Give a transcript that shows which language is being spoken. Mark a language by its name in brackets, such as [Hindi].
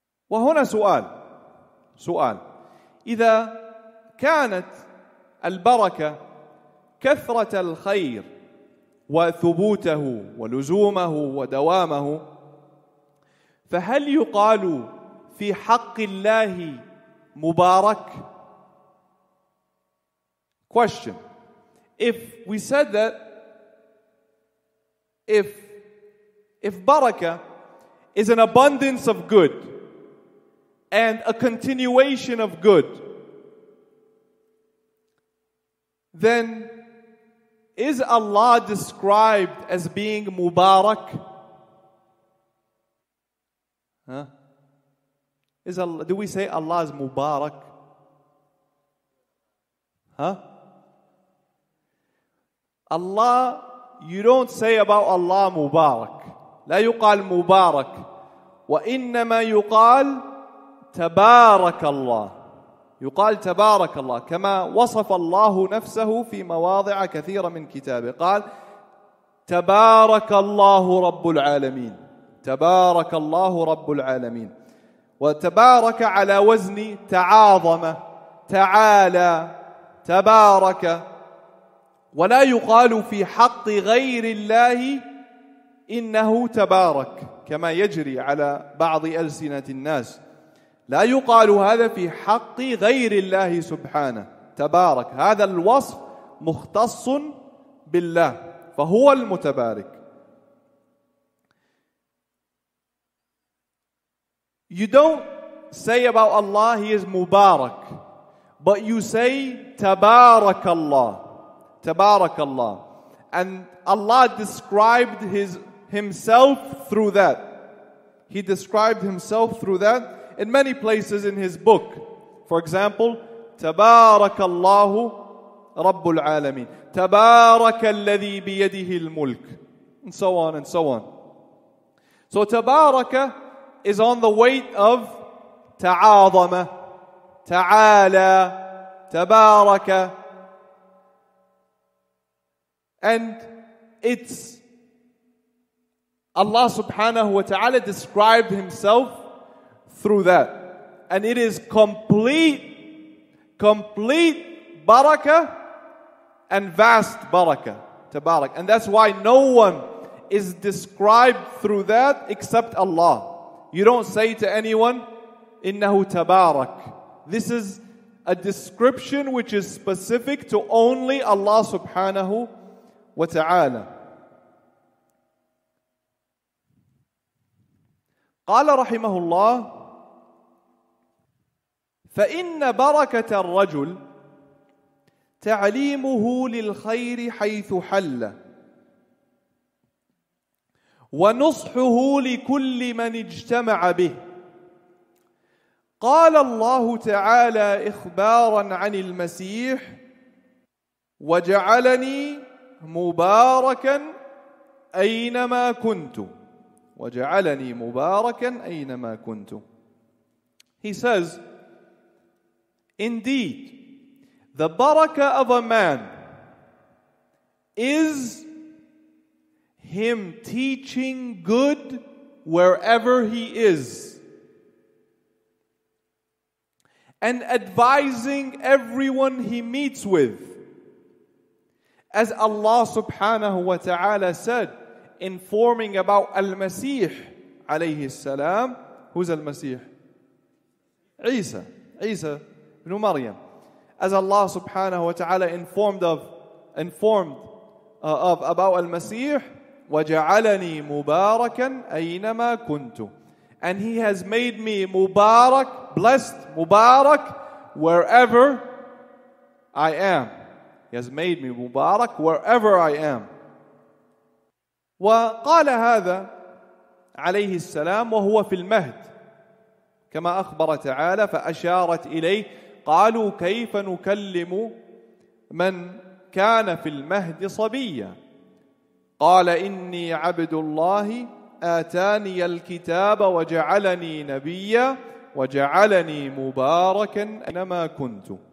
[Arabic] وهنا سؤال إذا كانت البركة كثرة الخير وثبوته ولزومه ودوامه فهل يقال في حق الله مبارك؟ [English] Question. If we said that, if barakah is an abundance of good and a continuation of good, then is Allah described as being mubarak? Huh? Do we say Allah is mubarak? Huh? Allah, you don't say about Allah mubarak. [Arabic] لا يقال مبارك وإنما يقال تبارك الله. يقال تبارك الله كما وصف الله نفسه في مواضع كثيرة من كتابه. قال تبارك الله رب العالمين. تبارك الله رب العالمين. وتبارك على وزن تعاظم تعالى تبارك. ولا يقال في حق غير الله إنه تبارك كما يجري على بعض ألسنة الناس. لا يقال هذا في حق غير الله سبحانه تبارك. هذا الوصف مختص بالله فهو المتبارك. [English] You don't say about Allah he is مبارك, but you say [Arabic] تبارك الله. تبارك الله. [English] And Allah described himself through that. He described himself through that in many places in his book. For example, [Arabic] تبارك الله رب العالمين. تبارك الذي بيده الملك. [English] And so on and so on. So تبارك is on the weight of تعاظم, تعالى, تبارك. And it's Allah subhanahu wa ta'ala described himself through that. And it is complete, complete barakah and vast barakah, tabarak. And that's why no one is described through that except Allah. You don't say to anyone, [Arabic] innahu tabarak. [English] This is a description which is specific to only Allah subhanahu wa ta'ala. [Arabic] قال رحمه الله فإن بركة الرجل تعليمه للخير حيث حل ونصحه لكل من اجتمع به. قال الله تعالى إخبارا عن المسيح وجعلني مباركا أينما كنت. وَجَعَلَنِي مُبَارَكًا أَيْنَمَا كُنْتُ. [English] He says, indeed, the barakah of a man is him teaching good wherever he is and advising everyone he meets with. As Allah subhanahu wa ta'ala said, informing about al-Masih alayhi salam. Who's al-Masih? Isa. Isa ibn Maryam. As Allah subhanahu wa ta'ala informed about al-Masih, [Arabic] وَجَعَلَنِي مُبَارَكًا أَيْنَمَا كُنْتُ. [English] And he has made me mubarak, blessed, mubarak, wherever I am. He has made me mubarak wherever I am. [Arabic] وقال هذا عليه السلام وهو في المهد كما أخبر تعالى فأشارت إليه قالوا كيف نكلم من كان في المهد صبيا. قال إني عبد الله آتاني الكتاب وجعلني نبيا وجعلني مباركا أينما كنت.